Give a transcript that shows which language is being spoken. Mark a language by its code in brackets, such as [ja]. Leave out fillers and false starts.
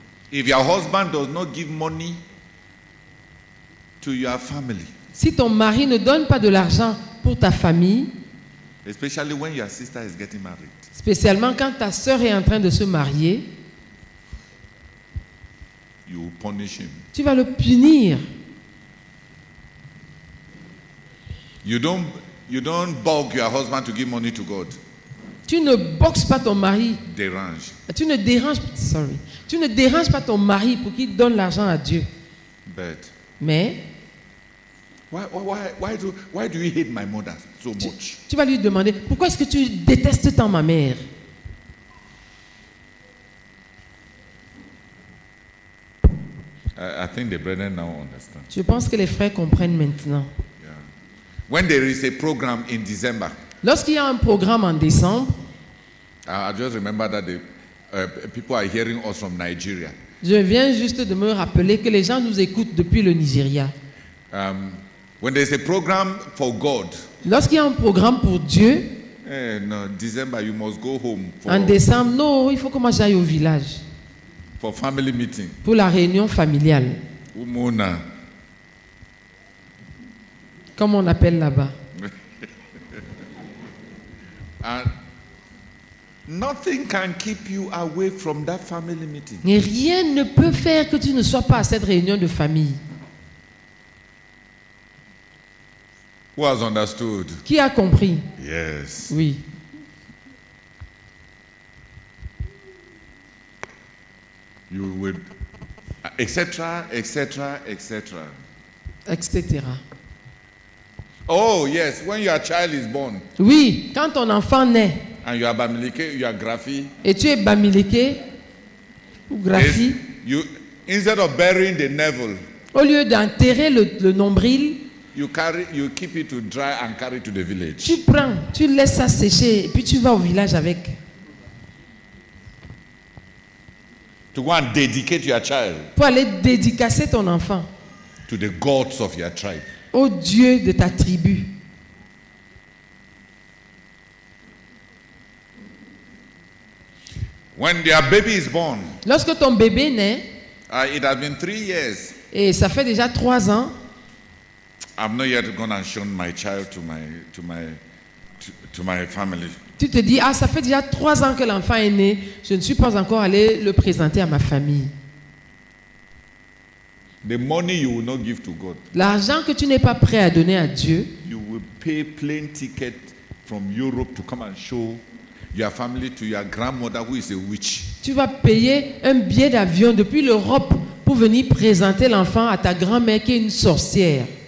[en] If your husband does not give money to your family. [fr] Si ton mari ne donne pas de l'argent pour ta famille. [en] Especially when your sister is getting married. [fr] Spécialement quand ta sœur est en train de se marier. [en] You punish him. [fr] Tu vas le punir. [en] You don't bug your husband to give money to God. [fr] Tu ne boxes pas ton mari. Dérange. Tu ne déranges pas ton mari pour qu'il donne l'argent à Dieu. [en] But. [fr] Mais. [en] Why do you hate my mother so much? [fr] Tu vas lui demander pourquoi est-ce que tu détestes tant ma mère? [en] I think the brethren now understand. [fr] Je pense que les frères comprennent maintenant. [en] Yeah. When there is a program in December. [fr] Lorsqu'il y a un programme en décembre. [en] I just remember that the people are hearing us from Nigeria. [fr] Je viens juste de me rappeler que les gens nous écoutent depuis le Nigeria. [en] When there's a program for God. [fr] Lorsqu'il y a un programme pour Dieu. [en] No, December you must go home for. [fr] En décembre, non, il faut que moi j'aille au village. [en] For family meeting. [fr] Pour la réunion familiale. [en] Umuna. [fr] Comme on appelle là-bas. [en] And nothing can keep you away from that family meeting. [fr] Mais rien ne peut faire que tu ne sois pas à cette réunion de famille. [en] Who has understood? [fr] Qui a compris? [en] Yes. [fr] Oui. [en] You would, etc., etc., etc. [fr] Etc. [en] Oh yes, when your child is born. [fr] Oui, quand ton enfant naît. [en] And you are bamileke, you are graphy. [fr] Et tu es bamileke ou graphy. [en] You instead of burying the navel. [fr] Au lieu d'enterrer le nombril. [en] You carry, you keep it to dry and carry to the village. [fr] Tu prends, tu laisses ça sécher et puis tu vas au village avec. [en] To go and dedicate your child. [fr] Pour aller dédicacer ton enfant. [en] To the gods of your tribe. [fr] Au Dieu de ta tribu. [en] When their baby is born. [fr] Lorsque ton bébé naît. [en] It has been 3 years. [fr] Et ça fait déjà 3 ans. [en] I've not yet gone and shown my child to my family. [fr] Tu te dis, ah, ça fait déjà 3 ans que l'enfant est né. Je ne suis pas encore allé le présenter à ma famille. [en] The money you will not give to God. [fr] L'argent que tu n'es pas prêt à donner à Dieu. [en] You will pay plane ticket from Europe to come and show your family to your grandmother who is a witch. [fr] Tu vas payer un billet d'avion depuis l'Europe pour venir présenter l'enfant à ta grand-mère qui est une sorcière.